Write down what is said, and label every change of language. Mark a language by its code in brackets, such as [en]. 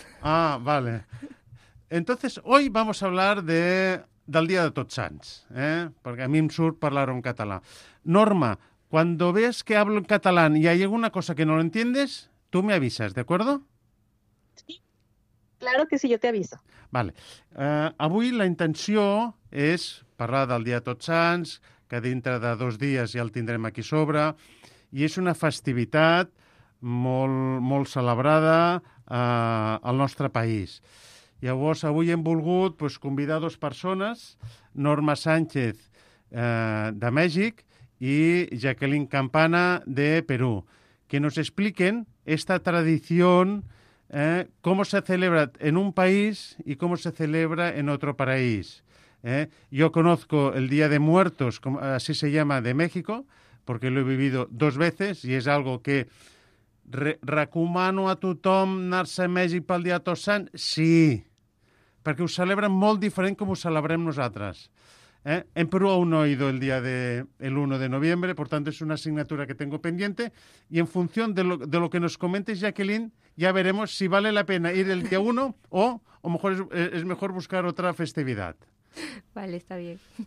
[es] Ah, vale. Entonces, hoy vamos a hablar del Día de Tots Sants, porque a mí me surge hablar en catalán. Norma, cuando ves que hablo en catalán y hay alguna cosa que no lo entiendes, tú me avisas, ¿de acuerdo? Claro que sí, [ca] jo t'aviso. [es] Vale. [ca] Avui la intenció és parlar del Dia de Tots Sants, que dintre de dos dies ja el tindrem aquí sobre, i és una festivitat molt, molt celebrada al nostre país. Llavors, avui hem volgut convidar dues persones, Norma Sánchez, de Mèxic, i Jacqueline Campana, de Perú, que ens expliquen aquesta tradició. [es] ¿Cómo se celebra en un país y cómo se celebra en otro país? Yo conozco el Día de Muertos, así se llama, de México, porque lo he vivido dos veces y es algo que [ca] recomano a tothom anar-se a Mèxic pel Dia de Tots Sants. Sí, perquè ho celebren molt diferent com ho celebrem nosaltres. [es] En Perú aún no he ido el día el 1 de noviembre, por tanto es una asignatura que tengo pendiente. Y en función de lo que nos comentes, Jacqueline, ya veremos si vale la pena ir el día 1 o mejor es mejor buscar otra festividad. Vale, está bien.